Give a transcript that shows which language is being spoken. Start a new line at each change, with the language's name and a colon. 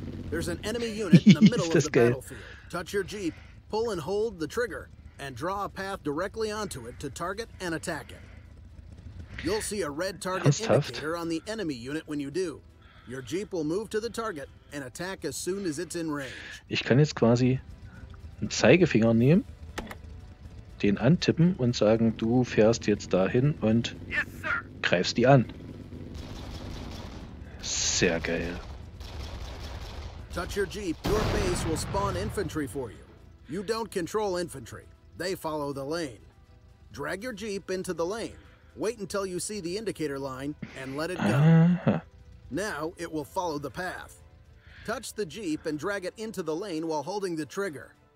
English: There's an enemy unit in the middle of the battlefield. Touch your Jeep, pull and hold the trigger, and draw a path directly onto it to target and attack it. You'll see a red target indicator on the enemy unit when you do. Your Jeep will move to the target and attack as soon as it's in range.
German: Ich kann jetzt quasi einen Zeigefinger nehmen, den antippen und sagen, du fährst jetzt dahin und greifst die an. Sehr geil.
English: Touch your Jeep, your base will spawn infantry for you. You don't control infantry. They follow the lane. Drag your Jeep into the lane. Wait until you see the indicator line and let it go. Now it will follow the path. Touch the Jeep and drag it into the lane while holding the trigger.